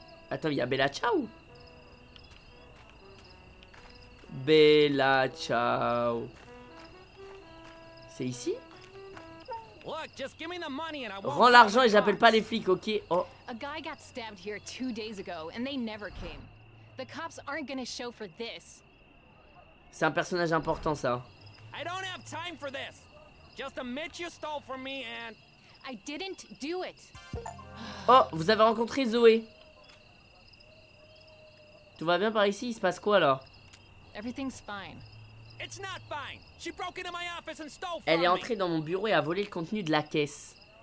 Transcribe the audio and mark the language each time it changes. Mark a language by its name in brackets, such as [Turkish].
[French] Attends, il y a Bella Ciao. Bella Ciao. C'est ici? Rends l'argent et j'appelle pas les flics, ok? Oh. [English] A guy got stabbed here 2 days ago and they never came. The cops aren't gonna show for this. [French] C'est un personnage important ça. [English] I don't have time for this. Just a Mitch you stole from me and I didn't do it. [French] Oh, vous avez rencontré Zoé. Tout va bien par ici, il se passe quoi alors? [English] Everything's fine. It's not fine. She broke into my office and stole from me. [French] Elle est entrée dans mon bureau et a volé le contenu de la caisse.